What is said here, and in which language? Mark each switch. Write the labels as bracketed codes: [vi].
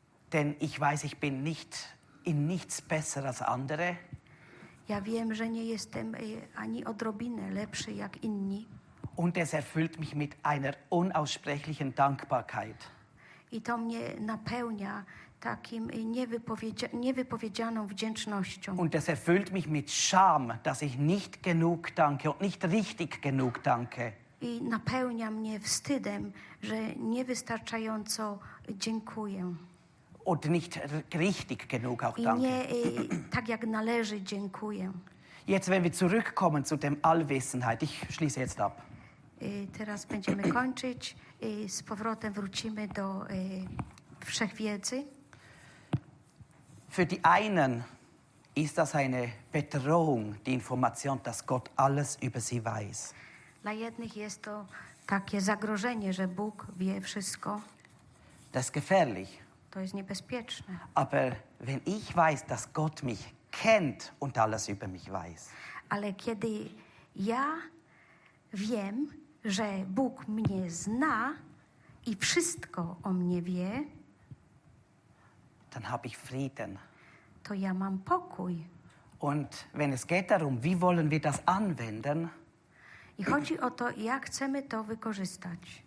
[de] Denn ich weiß, ich bin nicht in nichts besser als andere. [pl] Ja wiem, że nie jestem ani odrobinę lepszy jak inni. [de] Und es erfüllt mich mit einer unaussprechlichen Dankbarkeit. [pl] I to mnie napełnia takim niewypowiedzianą wdzięcznością. [de] Und es erfüllt mich mit Scham, dass ich nicht genug danke und nicht richtig genug danke. [pl] I napełnia mnie wstydem, że niewystarczająco dziękuję. [de] Und nicht richtig genug auch danke. [pl] I nie tak jak należy dziękuję. [de] Jetzt, wenn wir zurückkommen zu dem Allwissenheit, ich schließe jetzt ab. [pl] Teraz będziemy kończyć. Z powrotem wrócimy do Wszechwiedzy. [de] Für die einen ist das eine Bedrohung, die Information, dass Gott alles über sie weiß. [pl] Dla jednych jest to takie zagrożenie, że Bóg wie wszystko. [de] Das ist gefährlich. [pl] To jest niebezpieczne. [de] Aber wenn ich weiß, dass Gott mich kennt und alles über mich weiß. [pl] Ale kiedy ja wiem, że Bóg mnie zna i wszystko o mnie wie, [de] dann habe ich Frieden. [pl] To ja mam pokój. [de] Und wenn es geht darum, wie wollen wir das anwenden? [pl] I chodzi o to, jak chcemy to wykorzystać.